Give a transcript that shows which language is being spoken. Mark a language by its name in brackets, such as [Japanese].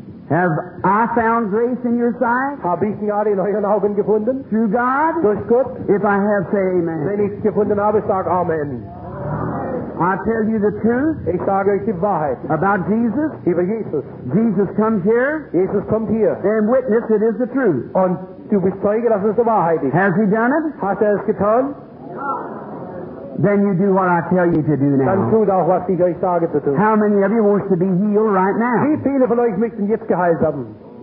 [English] Have I found grace in your sight? [German] Habe ich Gnade in euren Augen gefunden? [English] Through God? [German] Durch Gott? [English] If I have, say amen. [German] Wenn ich gefunden habe, sag amen. [English] I tell you the truth. [German] Ich sage euch die Wahrheit. [English] About Jesus? [German] Über Jesus. [English] Jesus comes here. [German] Jesus kommt hier. [English] And witness it is the truth. [German] Und du bist Zeuge, dass es die Wahrheit ist. [English] Has he done it? [German] Hat es getan? [English] Then you do what I tell you to do now. [German] Dann tut auch, was ich euch sage zu tun. [English] How many of you wants to be healed right now? [German] Wie viele von euch möchten jetzt geheilt haben?